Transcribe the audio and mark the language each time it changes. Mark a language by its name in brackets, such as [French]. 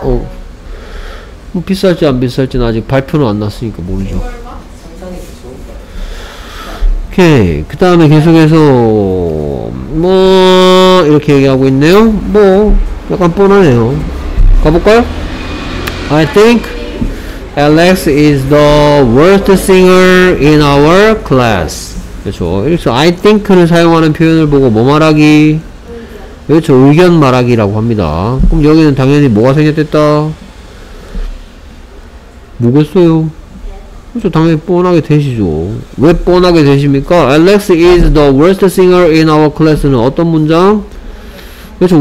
[Korean] 어 뭐 비쌀지 안 비쌀지는 아직 발표는 안 났으니까 모르죠 오케이 그 다음에 계속해서 뭐 이렇게 얘기하고 있네요 뭐 약간 뻔하네요 가볼까요? [English] I think Alex is the worst singer in our class. [Korean] 그렇죠. 그래서 I think를 사용하는 표현을 보고 뭐 말하기? 그렇죠. 의견 말하기라고 합니다. 그럼 여기는 당연히 뭐가 생겼댔다? 뭐겠어요? 그렇죠. 당연히 뻔하게 되시죠. 왜 뻔하게 되십니까? [English] Alex is the worst singer in our class [Korean] 는 어떤 문장? 그렇죠.